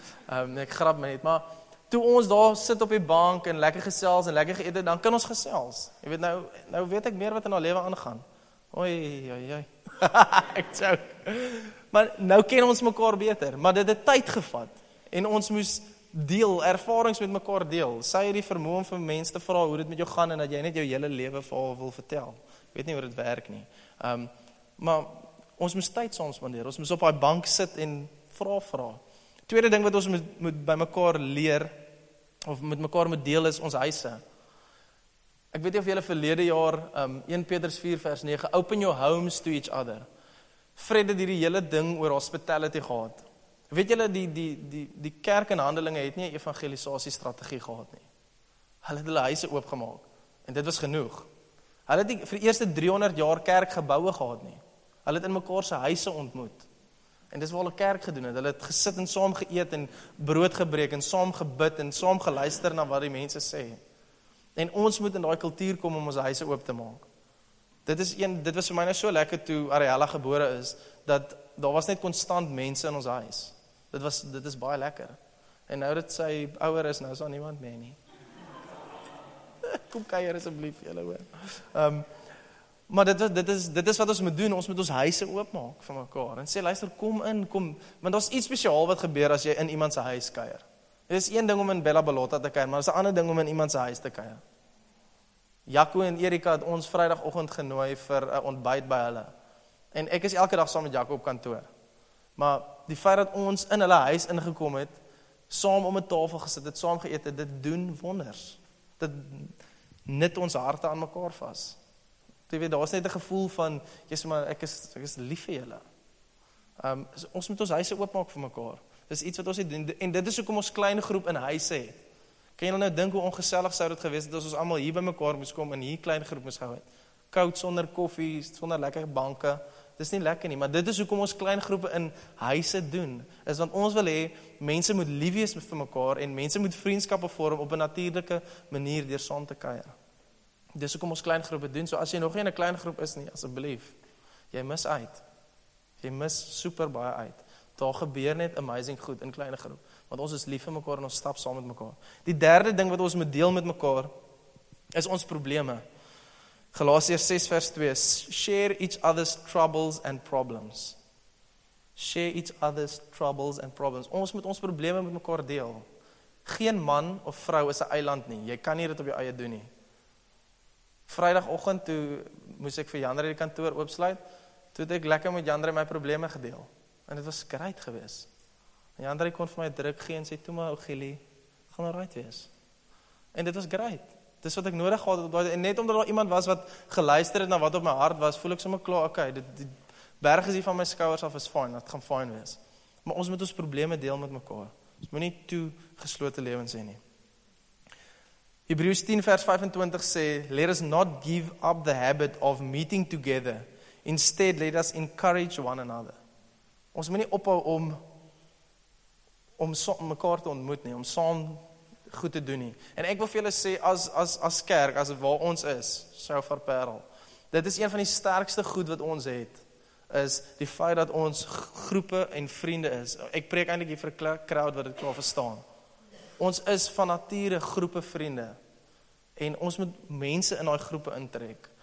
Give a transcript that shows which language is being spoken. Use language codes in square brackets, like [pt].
[af] Ek grap my net, maar toe ons daar sit op die bank en lekker gesels en lekker geëet het, dan kan ons gesels. Jy weet nou weet ek meer wat in haar lewe aangaan. Oei. Ek sjou. Maar nou ken ons mekaar beter, maar dit het tyd gevat en ons moes deel, ervarings met mekaar deel. Sy het die vermoë om vir mense te vra hoe dit met jou gaan en dat jy net jou hele lewe vir haar wil vertel. Ek weet nie hoe dit werk nie. Maar ons moes tyd saam spandeer. Ons moes op daai bank sit en vra. Tweede ding wat ons moet by mekaar leer of met mekaar moet deel is ons huise. Ek weet nie of julle verlede jaar 1 Petrus 4 vers 9 [en] open your homes to each other. [af] Fred het hierdie hele ding oor hospitality gehad. Weet julle die kerk in Handelinge het nie 'n evangelisasie strategie gehad nie. Hulle het hulle huise oopgemaak en dit was genoeg. Hulle het nie vir die eerste 300 jaar kerkgeboue gehad nie. Hulle het in mekaar se huise ontmoet. En dis waar hulle kerk gedoen het. Hulle het gesit en saam geëet en brood gebreek en saam gebid en saam geluister na wat die mense sê. En ons moet in daai kultuur kom om ons huise oop te maak. Dit was vir my nou so lekker toe Ariella gebore is, dat daar was net konstant mense in ons huis. Dit is baie lekker. En nou dat sy ouer is, nou is daar niemand meer nie. Kom kuier asseblief julle hoor. Maar dit is wat ons moet doen, ons moet ons huise oopmaak vir mekaar. En sê, luister, kom in, want daar is iets spesiaal wat gebeur as jy in iemand se huis kuier. Dit is een ding om in Bella Bellotta te kuier, maar dit is 'n ander ding om in iemand se huis te kuier. Jaco en Erika het ons vrydagoggend genooi vir 'n ontbyt by hulle. En ek is elke dag saam met Jaco op kantoor. Maar die feit dat ons in hulle huis ingekom het, saam om 'n tafel gesit het, saam geëet het, dit doen wonders. Dit knit ons harte aan mekaar vas. Jy weet, daar is net 'n gevoel van, jy sê maar, ek is lief vir julle. Ons moet ons huise oopmaak vir mekaar. Dis iets wat ons het, en dit is hoekom ons klein groep in huise het. Kan jy nou dink hoe ongesellig sou dit gewees het as ons almal hier by mekaar moes kom en hier klein groep moes hou het. Koud sonder koffie, sonder lekker banke. Dis nie lekker nie, maar dit is hoekom ons klein groepe in huise doen. Is want ons wil hê mense moet lief wees vir mekaar en mense moet vriendskappe vorm op 'n natuurlike manier deur saam te kuier. Dis hoekom ons klein groepe doen. So as jy nog nie in 'n klein groep is nie, asseblief, jy mis uit. Jy mis super baie uit. Daar gebeur net amazing goed in klein groep. Want ons is lief vir mekaar en ons stap saam met mekaar. Die derde ding wat ons moet deel met mekaar, is ons probleme. [en] Galasiërs 6 vers 2, share each other's troubles and problems. Share each other's troubles and problems. [af] Ons moet ons probleme met mekaar deel. Geen man of vrou is 'n eiland nie. Jy kan nie dit op jou eie doen nie. Vrydagoggend toe moes ek vir Janre die kantoor oopsluit, toe het ek lekker met Janre my probleme gedeel. En dit was skreit geweest. En Janre kon vir my druk gee en sê, toe maar, Ogilie, gaan al right wees. En dit was great. Dis wat ek nodig gehad het. En net omdat daar iemand was wat geluister het na wat op my hart was, voel ek sommer klaar, okay, die berg is hier van my skouers af, is fine, dit gaan fine wees. Maar ons moet ons probleme deel met mekaar. Ons moet nie toe geslote lewens hê nie. Hebreërs 10 vers 25 sê, [en] let us not give up the habit of meeting together. Instead, let us encourage one another. [af] Ons moet nie ophou om saam mekaar te ontmoet nie, om saam goed te doen nie. En ek wil vir julle sê, as kerk, as waar ons is, Shofar Parel, dit is een van die sterkste goed wat ons het, is die feit dat ons groepe en vriende is. Ek preek eintlik hier vir 'n crowd wat dit klaar verstaan. Ons is van nature groepe vriende, en ons moet mense in daai groepe intrek.